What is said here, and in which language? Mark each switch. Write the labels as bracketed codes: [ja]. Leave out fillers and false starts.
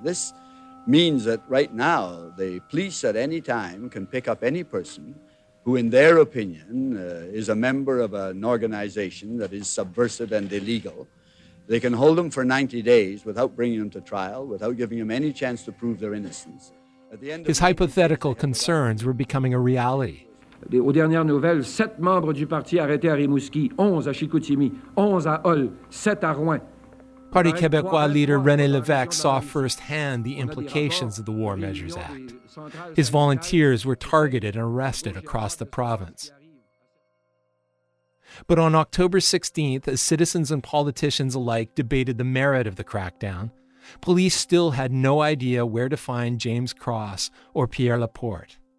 [en] This means that right now, the police at any time can pick up any person who, in their opinion, is a member of an organization that is subversive and illegal. They can hold them for 90 days without bringing them to trial, without giving them any chance to prove their innocence. His hypothetical concerns were becoming a reality. [fr] Aux dernières nouvelles, 7 membres du parti arrêtés à Rimouski, 11 à Chicoutimi, 11 à Hull, 7 à Rouen. [en] Parti Québécois leader René Lévesque saw firsthand the implications of the War Measures Act. His volunteers were targeted and arrested across the province. But on October 16th, as citizens and politicians alike debated the merit of the crackdown, police still had no idea where to find James Cross or Pierre Laporte.